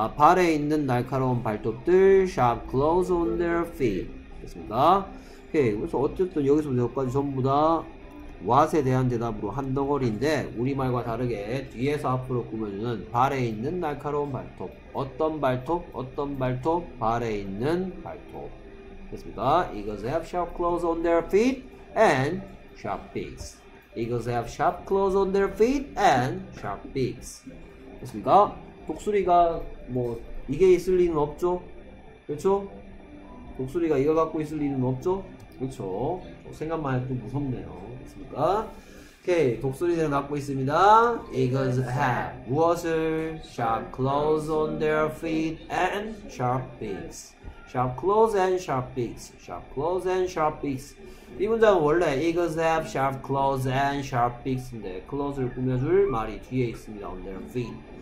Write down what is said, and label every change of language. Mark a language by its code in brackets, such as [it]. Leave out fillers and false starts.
[ko] 발에 있는 날카로운 발톱들, [en] sharp claws on their feet. [ko] 됐습니다. 오케이. 그래서 어쨌든 여기서부터 여기까지 전부 다 what에 대한 대답으로 한 덩어리인데, 우리말과 다르게 뒤에서 앞으로 꾸며주는 발에 있는 날카로운 발톱. 어떤 발톱? 어떤 발톱? 발에 있는 발톱. 됐습니다. [en] Eagles have sharp claws on their feet and sharp beaks. Eagles have sharp claws on their feet and sharp beaks. [ko] 됐습니까? 독수리가 뭐 이게 있을 리는 없죠. 그렇죠? 독수리가 이걸 갖고 있을 리는 없죠. 그렇죠? 생각만 해도 무섭네요. 그렇습니까? 오케이. 독수리들은 갖고 있습니다. [en] Eagles have [ko] 무엇을? [en] Sharp claws on their feet and sharp beaks. Sharp claws and sharp beaks. Sharp claws and sharp beaks. [ko] 이 문장은 원래 [en] Eagles have sharp claws and sharp beaks [ko] 인데, claws를 꾸며줄 말이 뒤에 있습니다. [en] On their feet.